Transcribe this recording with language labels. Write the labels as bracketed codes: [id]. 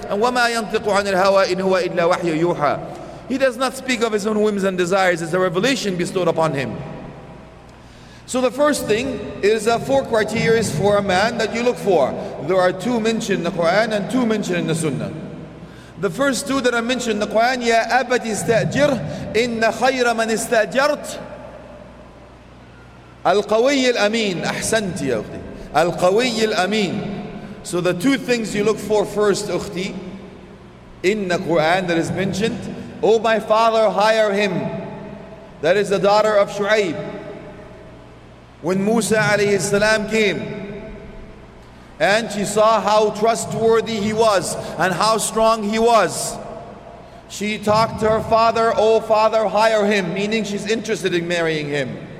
[ar] And وَمَا يَنْطِقُ عَنِ الْهَوَىٰ إِنْ هُوَ إِلَّا وَحْيُ يُوحَىٰ. [en] He does not speak of his own whims and desires. It's a revelation bestowed upon him. So the first thing is four criteria for a man that you look for. There are two mentioned in the Quran and two mentioned in the sunnah. The first two that are mentioned in the Quran, [ar] يَا أَبَتِ اسْتَأْجِرْ إِنَّ خَيْرَ مَنْ اسْتَأْجَرْتْ الْقَوِيِّ الْأَمِينَ أَحْسَنْتِ يَا أُخْتِ الْقَوِيِّ الْأَمِينَ. [en] So the two things you look for first, أختي, in the Quran that is mentioned, oh my father, hire him. That is the daughter of Shu'aib. When Musa alayhi salam came, and she saw how trustworthy he was and how strong he was, she talked to her father, oh father, hire him, meaning she's interested in marrying him.